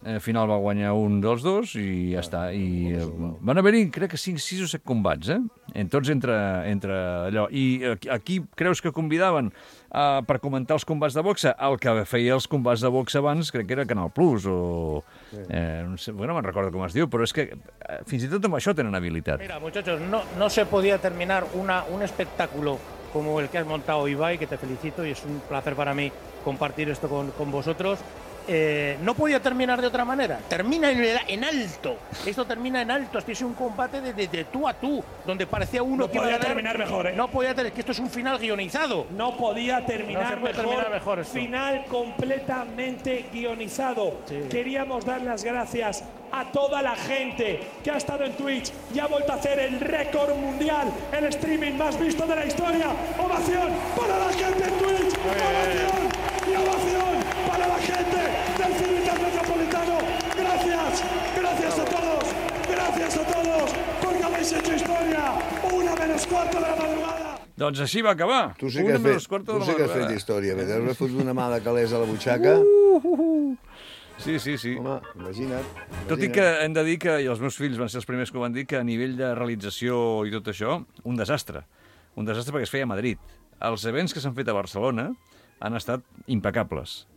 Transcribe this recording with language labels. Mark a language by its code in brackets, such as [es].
[ca] Final va guanyar un dels dos i ja està. I van haver-hi, crec que 5 o 7 combats, eh? Tots entre allò. I a qui creus que convidaven per comentar els combats de boxa? El que feia els combats de boxa abans crec que era Canal Plus o... Sí. No sé, me'n recordo com es diu, però és que fins i tot amb això tenen habilitat. [es] Mira, muchachos, no se podía terminar un espectáculo como el que has montado, Ibai, que te felicito y es un placer para mí compartir esto con vosotros. No podía terminar de otra manera. Termina en alto. Esto termina en alto. Esto es un combate de tú a tú, donde parecía uno no que iba a ganar. Terminar mejor, ¿eh? No podía terminar, que esto es un final guionizado. No podía terminar, no se puede terminar mejor. Esto. Final completamente guionizado. Sí. Queríamos dar las gracias a toda la gente que ha estado en Twitch y ha vuelto a hacer el récord mundial, el streaming más visto de la historia. Ovación para la gente en Twitch. Ovación y ovación para la gente del Civitas Metropolitano. Gracias, gracias a todos. Gracias a todos porque habéis hecho historia. Una menos cuarto de la madrugada. [ca] Doncs així va acabar. Tu sí que, has fet història. Has refut una mà de calés a la butxaca. Sí, sí, sí. Home, imagina't. Tot i que hem de dir que, i els meus fills van ser els primers que ho van dir, que a nivell de realització i tot això, un desastre. Un desastre perquè es feia a Madrid. Els events que s'han fet a Barcelona han estat impecables.